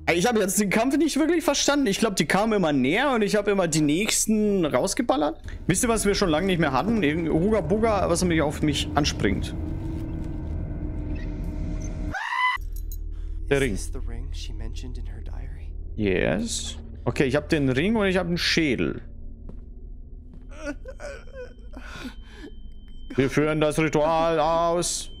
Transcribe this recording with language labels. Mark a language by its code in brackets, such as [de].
[de] Ich habe jetzt den Kampf nicht wirklich verstanden. Ich glaube, die kamen immer näher und ich habe immer die nächsten rausgeballert. Wisst ihr, was wir schon lange nicht mehr hatten? Irgendein Huga Buga, was mich auf mich anspringt. Der Ring. [en] Is this the ring she mentioned in her diary? Yes. [de] Okay, ich habe den Ring und ich habe einen Schädel. Wir führen das Ritual aus.